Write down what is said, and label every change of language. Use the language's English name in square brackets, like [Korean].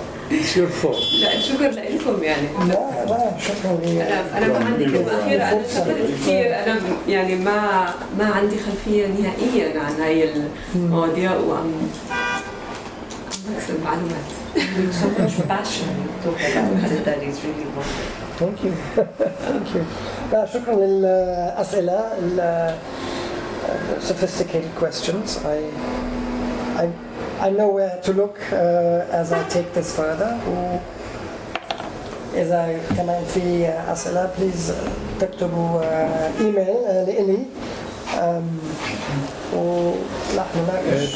[English] It's your fault. [Arabic] لا شكر لكم شكرا. أنا ما عندي كلمة أخيرة. أنا سافرت كثير. أنا ما عندي خلفية نهائيا عن هاي المواضيع وعم بكسب معلومات. [English] So much passion to talk about that is really wonderful. Thank you. [Arabic] شكرا للأسئلة [English] sophisticated questions. I know where to look as I take this further. [Arabic] إذا كمان في أسئلة بليز تكتبوا إيميل لإلي ونحن نناقش.